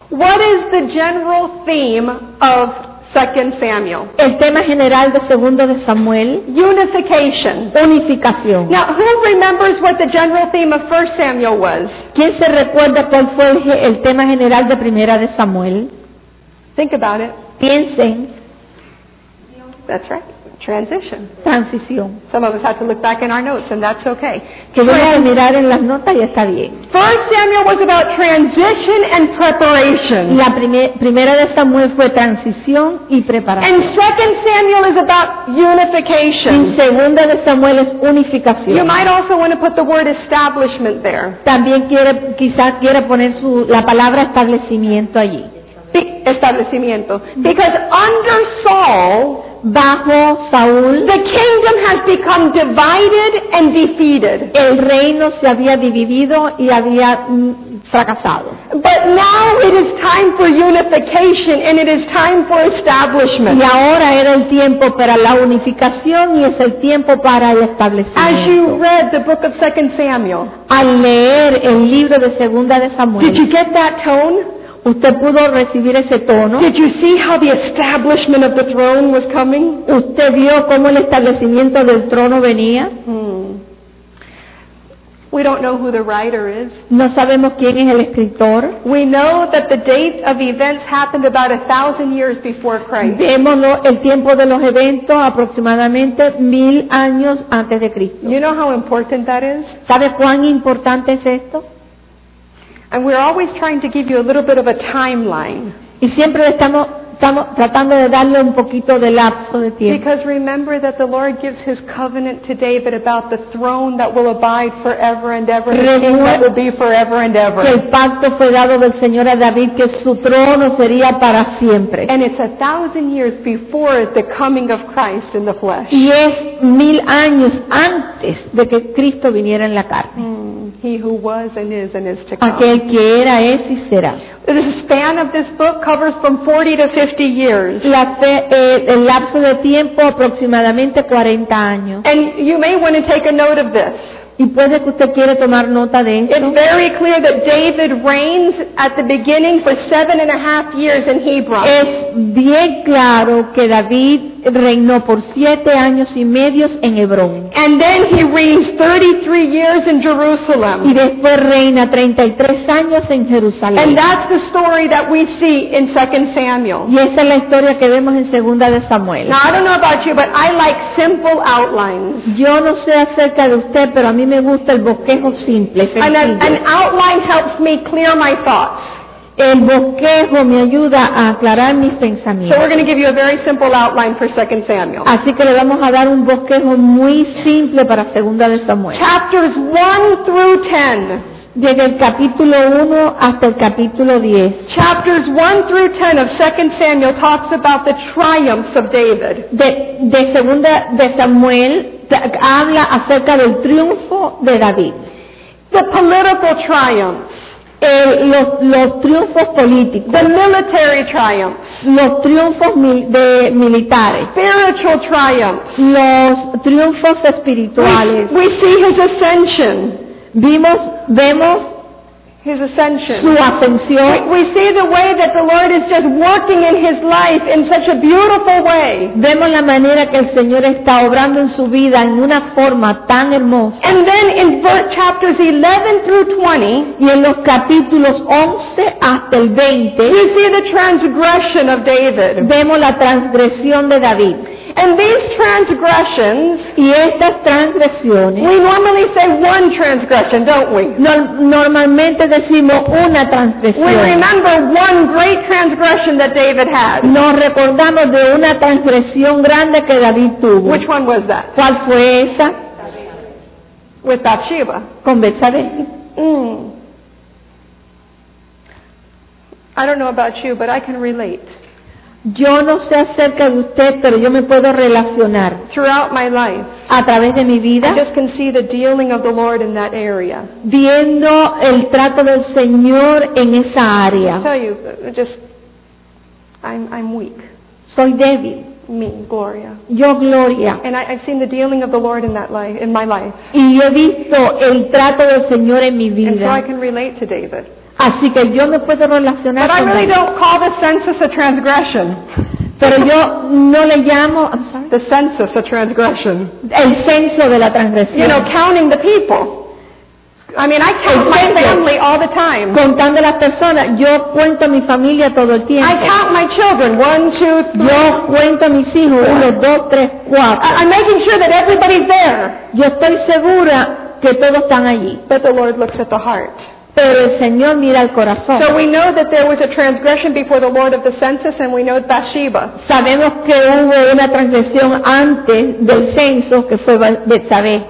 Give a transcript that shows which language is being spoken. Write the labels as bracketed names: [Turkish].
[English] What is the general theme of 2 Samuel? [Spanish] El tema general de Segundo de Samuel. [English] Unification. [Spanish] Unificación. [English] Now, who remembers what the general theme of 1 Samuel was? [Spanish] ¿Quién se recuerda cuál fue el tema general de Primera de Samuel? [English] Think about it. [Spanish] Piensen. [English] That's right. Transition. [Spanish] Transición. [English] Some of us have to look back in our notes, and that's okay. [Spanish] Que voy a mirar en las notas y está bien. [English] First Samuel was about transition and preparation. [Spanish] La primera de Samuel fue transición y preparación. [English] And Second Samuel is about unification. [Spanish] Y segunda de Samuel es unificación. [English] You might also want to put the word establishment there. [Spanish] También quizás quiere poner la palabra establecimiento allí. [English] Establecimiento. Because under Saul, [Spanish] bajo Saúl, [English] the kingdom has become divided and defeated. [Spanish] El reino se había dividido y había fracasado. [English] But now it is time for unification and it is time for establishment. [Spanish] Y ahora era el tiempo para la unificación y es el tiempo para el establecimiento. [English] As you read the book of 2 Samuel, [Spanish] al leer el libro de Segunda de Samuel, [English] did you get that tone? [Spanish] ¿Usted pudo recibir ese tono? [English] Did you see how the establishment of the throne was coming? [Spanish] ¿Usted vio cómo el establecimiento del trono venía? [English] We don't know who the writer is. [Spanish] No sabemos quién es el escritor. [English] We know that the date of events happened about 1,000 years before Christ. [Spanish] Vémoslo, el tiempo de los eventos aproximadamente 1,000 años antes de Cristo. [English] You know how important that is? [Spanish] ¿Sabe cuán importante es esto? [English] And we're always trying to give you a little bit of a timeline. [Spanish] Y siempre estamos tratando de darle un poquito de lapso de tiempo. [English] Because remember that the Lord gives his covenant to David about the throne that will abide forever and ever, the king that will be forever and ever. [Spanish] El pacto fue dado del Señor a David que su trono sería para siempre. [English] And it's 1,000 years before the coming of Christ in the flesh. [Spanish] Y es 1,000 años antes de que Cristo viniera en la carne. [English] He who was and is to come. [Spanish] Aquel que era, es y será. [English] The span of this book covers from 40 to 50 years. [Spanish] El lapso de tiempo aproximadamente 40 años. [English] And you may want to take a note of this. [Spanish] Y puede que usted quiera tomar nota de esto. [English] It's very clear that David reigns at the beginning for 7.5 years in Hebron. [Spanish] Es bien claro que David reinó por 7.5 años en Hebrón. [English] And then he reigns 33 years in Jerusalem. [Spanish] Y después reina 33 años en Jerusalén. [English] And that's the story that we see in 2 Samuel. [Spanish] Y esa es la historia que vemos en Segunda de Samuel. [English] Now, I don't know about you, but I like simple outlines. [Spanish] Yo no sé acerca de usted, pero a mí me gusta el bosquejo simple, sencillo. [English] An outline helps me clear my thoughts. [Spanish] El bosquejo me ayuda a aclarar mis pensamientos. [English] So we're going to give you a very simple outline for 2 Samuel. [Spanish] Así que le vamos a dar un bosquejo muy simple para Segunda de Samuel. [English] Chapters 1 through 10. [Spanish] Desde el capítulo 1 hasta el capítulo 10. [English] Chapters 1 through 10 of 2 Samuel talks about the triumphs of David. [Spanish] De Segunda de Samuel habla acerca del triunfo de David. [English] The political triumphs. [Spanish] Los triunfos políticos. [English] The military triumphs. [Spanish] Los triunfos de militares. [English] Spiritual triumphs. [Spanish] Los triunfos espirituales. [English] We see his ascension. [Spanish] Vemos [English] his ascension. [Spanish] Su ascensión. [English] We see the way that the Lord is just working in his life in such a beautiful way. [Spanish] Vemos la manera que el Señor está obrando en su vida en una forma tan hermosa. [English] And then in chapters 11 through 20, [Spanish] y en los capítulos 11 hasta el 20, [English] we see the transgression of David. [Spanish] Vemos la transgresión de David. [English] And these transgressions, [Spanish] y estas transgresiones, [English] we normally say one transgression, don't we? [Spanish] Normalmente decimos una transgresión. [English] We remember one great transgression that David had. [Spanish] Nos recordamos de una transgresión grande que David tuvo. [English] Which one was that? [Spanish] ¿Cuál fue esa? [English] With Bathsheba. [Spanish] Con Betsabé. [English] I don't know about you, but I can relate. [Spanish] Yo no sé acerca de usted, pero yo me puedo relacionar. [English] Throughout my life, [Spanish] a través de mi vida, [English] I just can see the dealing of the Lord in that area. [Spanish] Viendo el trato del Señor en esa área. [English] I'll tell you, I'm weak. [Spanish] Soy débil. [English] Me, Gloria. [Spanish] Yo, Gloria. [English] And I've seen the dealing of the Lord in that life, in my life. [Spanish] Y he visto el trato del Señor en mi vida. [English] And so I can relate to David. [Spanish] Así que yo no puedo relacionar con él. [English] But I really don't call the census a transgression. [Spanish] Pero yo no le llamo [English] the census a transgression. [Spanish] El censo de la transgresión. [English] You know, counting the people. I mean, I count my family all the time. [Spanish] Contando las personas, yo cuento a mi familia todo el tiempo. [English] I count my children. 1, 2, 3. [Spanish] Yo cuento a mis hijos. 1, 2, 3, 4. [English] I'm making sure that everybody's there. [Spanish] Yo estoy segura que todos están allí. [English] But the Lord looks at the heart. [Spanish] Pero el Señor mira el corazón. [English] So we know that there was a transgression before the Lord of the census, and we know Bathsheba. [Spanish] Sabemos que hubo una transgresión antes del censo, que fue Betsabé.